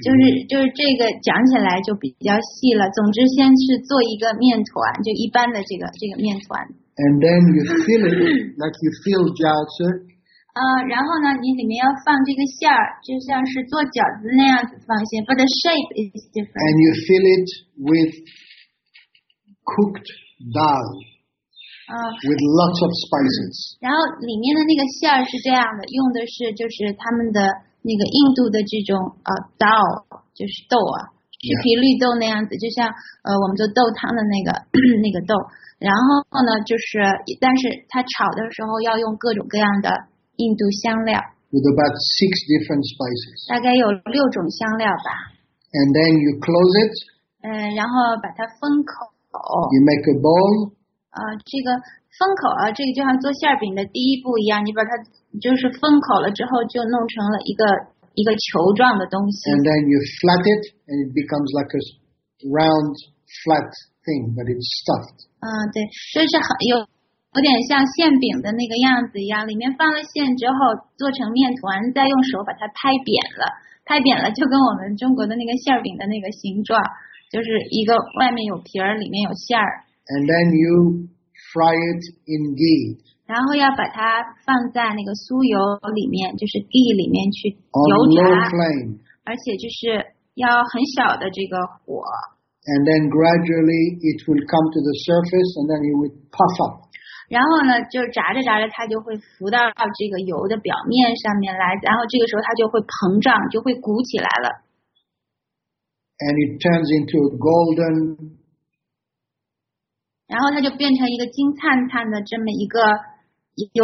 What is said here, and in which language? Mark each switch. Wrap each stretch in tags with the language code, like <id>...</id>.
<zh>就是这个讲起来就比较细了。总之，先是做一个面团，就一般的这个面团。</zh> <en>And then you fill it like you fill 饺子。</en> <zh>然后呢，你里面要放这个馅儿，就像是做饺子那样子放馅。</zh> <en>But the shape is different. And you fill it with cooked dal, with lots of spices.</en> <zh>然后里面的那个馅儿是这样的，用的是就是他们的那个印度的这种dal, 就是豆啊，是皮绿豆那样子，</zh> <en>yeah.</en> <zh>就像我们做豆汤的那个豆。然后呢，就是但是它炒的时候要用各种各样的。印度香料</zh> <en>with about 6 different spices.</en> <zh>大概有六种香料吧。</zh> <en>And then you close it.</en> <zh>然后把它封口。</zh> <en>You make a bowl.</en> <zh>这个封口啊，这个就像做馅饼的第一步一样，你把它就是封口了之后，就弄成了一个球状的东西。</zh> <en>And then you flat it, and it becomes like a round, flat thing, but it's stuffed.</en> <zh>对，就是很有。有点像馅饼的那个样子一样，里面放了馅之后做成面团，再用手把它拍扁了，拍扁了就跟我们中国的那个馅饼的那个形状，就是一个外面有皮儿，里面有馅儿。</zh> <en>And then you fry it in ghee.</en> <zh>然后要把它放在那个酥油里面，就是 ghee 里面去油炸。</zh> <en>On low flame.</en> <zh>而且就是要很小的这个火。</zh> <en>And then gradually it will come to the surface, and then it will puff up.</en> <zh>然后呢，就炸着炸着，它就会浮到这个油的表面上面来，然后这个时候它就会膨胀，就会鼓起来了。</zh> <en>And it turns into a golden.</en> <zh>然后它就变成一个金灿灿的这么一个油</zh>